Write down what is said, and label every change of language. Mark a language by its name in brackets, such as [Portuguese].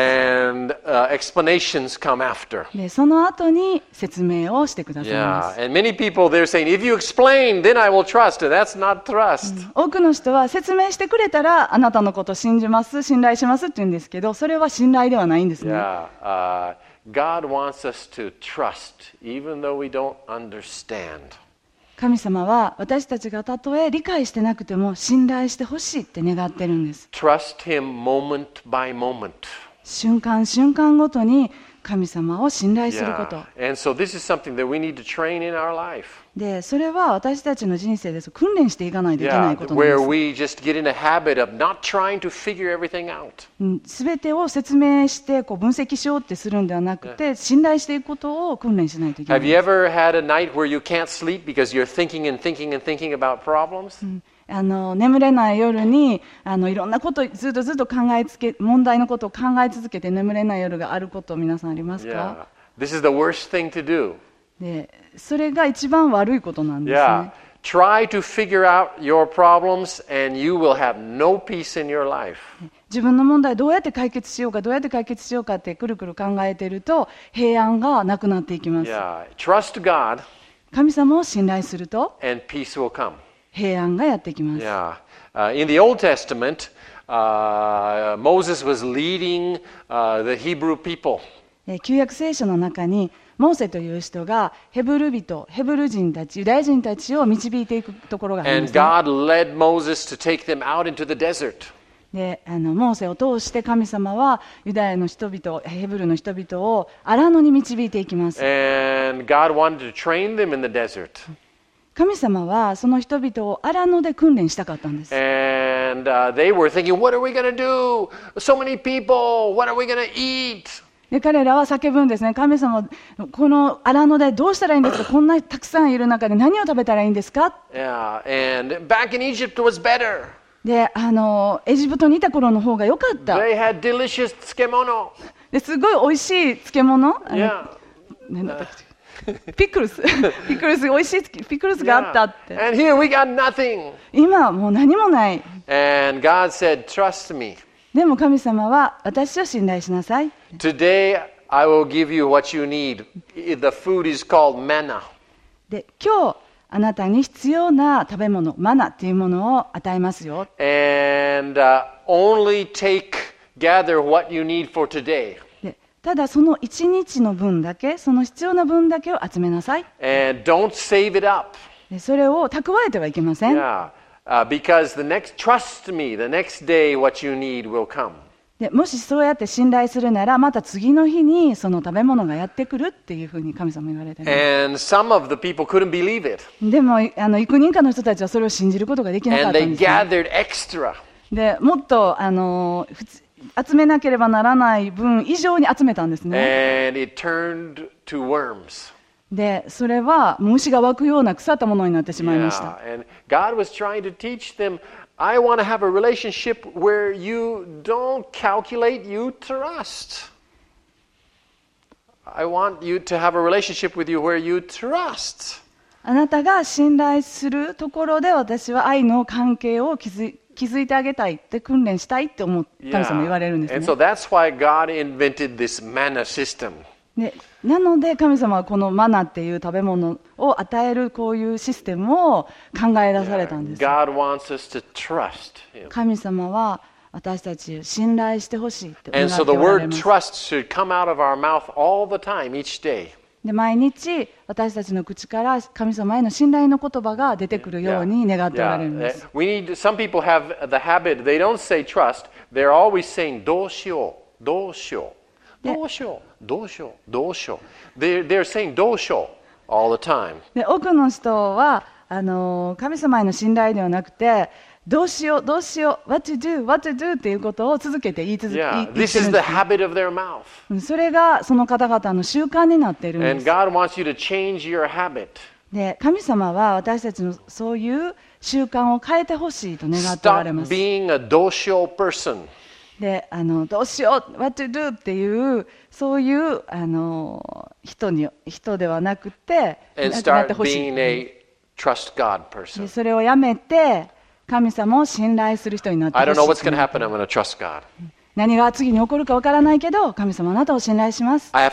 [English] And, explanations come after. [Japanese] でその後に説明をしてくださいます。 [English] Yeah, and many people they're saying, if you explain, then I will trust. That's not trust. [Japanese] 多くの人は説明してくれたらあなたのことを信じます、信頼しますって言うんですけど、それは信頼ではないんですね。 [English] Yeah, God wants us to trust, even though we don't understand. [Japanese] 神様は私たちがたとえ理解してなくても信頼してほしいって願ってるんです。 [English] Trust him moment by moment. [Japanese] 瞬間瞬間ごとに神様を信頼すること。 [English] Yeah. And so this is something that we need to train in our life. [Japanese] で、それは私たちの人生で訓練していかないといけないことなんです。 [English] Yeah. Where we just get in a habit of not trying to figure everything out. [Japanese] 全てを説明してこう分析しようってするんではなくて、信頼していくことを訓練しないといけない。 [English] Have you ever had a night where you can't sleep because you're thinking and thinking and thinking about problems? [Japanese] 眠れない夜にいろんなことをずっとずっと考えつけ問題のことを考え続けて眠れない夜があることを皆さんありますか？ [English] Yeah. This is the worst thing to do. [Japanese] でそれが一番悪いことなんですね。 [English] Yeah. Try to figure out your problems and you will have no peace in your life. [Japanese] 自分の問題どうやって解決しようかどうやって解決しようかってくるくる考えていると平安がなくなっていきます。 [English] Yeah. Trust God. [Japanese] 神様を信頼すると [English] and peace will come. [Japanese] 平安がやってきます。 [English] Yeah. In the Old Testament, Moses was leading, the Hebrew people. [Japanese] 旧約聖書の中にモーセという人がヘブル人、ヘブル人たち、ユダヤ人たちを導いていくところがありますね。 [English] And God led Moses to take them out into the desert. [Japanese] で、モーセを通して神様はユダヤの人々、ヘブルの人々をアラノに導いていきます。 [English] And God wanted to train them in the desert. [Japanese] 神様はその人々をアラノで訓練したかったんです。 [English] And, they were thinking, what are we gonna do? So many people, what are we gonna eat? [Japanese] で彼らは叫ぶんですね。神様、このアラノでどうしたらいいんですか？こんなたくさんいる中で何を食べたらいいんですか？ [English] Yeah. And back in Egypt was better. [Japanese] で、エジプトにいた頃の方が良かった。 [English] They had delicious 漬物。 [Japanese] で、すごい美味しい漬物。 [English] Yeah. [Japanese] 何だったっけ？ピクルス、ピクルス、美味しいピクルスがあったって。 [English] Yeah. And here we got nothing. [Japanese] 今もう何もない。 [English] And God said, Trust me. [Japanese] でも神様は私を信頼しなさい。 [English] Today I will give you what you need. The food is called manna. [Japanese] で今日あなたに必要な食べ物、マナっていうものを与えますよ。 [English] And only take, gather what you need for today. [Japanese] ただその1日の分だけその必要な分だけを集めなさい。 [English] And don't save it up. [Japanese] それを蓄えてはいけません。 [English] Yeah. Because the next, trust me, the next day what you need will come. [Japanese] でもしそうやって信頼するならまた次の日にその食べ物がやってくるっていうふうに神様言われてます。 [English] And some of the people couldn't believe it. [Japanese] でも幾人かの人たちはそれを信じることができなかったんですね。 [English] And they gathered extra. [Japanese] でもっと普通集めなければならない分以上に集めたんですね。 [English] And it turned to worms. [Japanese] で、それは虫が湧くような腐ったものになってしまいました。 [English] Yeah. And God was trying to teach them, I want to have a relationship where you don't calculate, you trust. I want you to have a relationship with you where you trust. [Japanese] あなたが信頼するところで私は愛の関係を築く。気づいてあげたいって訓練したいって思った神様言われるんですね。 [English] And so that's why God invented this manna system. [Japanese] で、なので神様はこのマナっていう食べ物を与えるこういうシステムを考え出されたんです。 [English] God wants us to trust him. [Japanese] 神様は私たちを信頼してほしいって願っておられます。 [English] And so the word trust should come out of our mouth all the time, each day. [Japanese] で毎日私たちの口から神様への信頼の言葉が出てくるように願っておられるんです。 [English] We need, some people have the habit, they don't say trust, they're always saying [Japanese] どうしよう。どうしよう。どうしよう。どうしよう。どうしよう。 [English] They're saying [Japanese] どうしよう [English] all the time. [Japanese] で、多くの人は神様への信頼ではなくて、どうしよう、どうしよう、 [English] What to do, what to do [Japanese] っていうことを続けて言い続け、 [English] yeah, [Japanese] 言ってるんです。 [English] This is the habit of their mouth. [Japanese] それがその方々の習慣になっているんです。 [English] And God wants you to change your habit. [Japanese] で、神様は私たちのそういう習慣を変えてほしいと願っておられます。 [English] Stop being a [Japanese] どうしよう [English] person. [Japanese] で、どうしよう、 [English] What to do [Japanese] っていうそういう人ではなくて、 [English] And start being a trust God person. [Japanese] それをやめて神様を信頼する人になってほしい。 [English] happen, [Japanese] 何が次に起こるかわからないけど、神様あなたを信頼します。